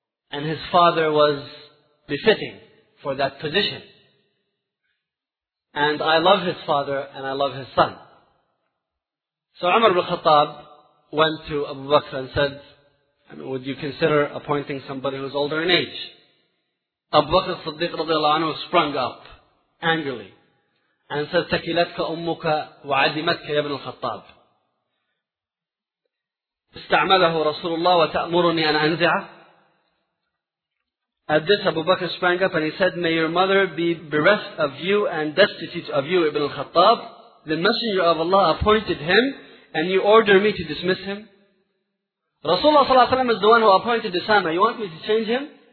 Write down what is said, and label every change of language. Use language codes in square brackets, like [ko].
[en] And his father was befitting for that position. And I love his father and I love his son. So Umar ibn Khattab went to Abu Bakr and said, would you consider appointing somebody who's older in age? Abu Bakr as-Siddiq radiallahu anhu sprung up angrily and said, [ar] تَكِلَتْكَ أُمُّكَ وَعَدِمَتْكَ يَا ابْنُ الْخَطَّابِ استعمله رسول الله وتأمرني أن أنزع. [en] At this Abu Bakr sprang up and he said, may your mother be bereft of you and destitute of you, Ibn al-Khattab. The Messenger of Allah appointed him and you order me to dismiss him. Rasulullah صلى الله عليه وسلم is the one who appointed Usama. You want me to change him?